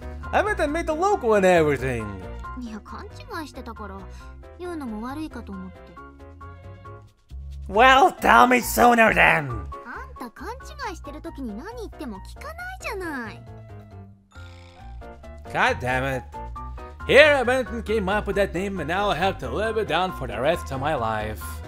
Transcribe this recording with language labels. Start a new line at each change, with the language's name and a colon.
English: I meant I made the logo and everything.
Japanese: いや、勘違いしてたから言うのも悪いかと思って。
English: Well, tell me sooner then.
Japanese: あんた勘違いしてる時に何言っても聞かないじゃない。
English: God damn it. Here I went and came up with that name and now I have to live it down for the rest of my life.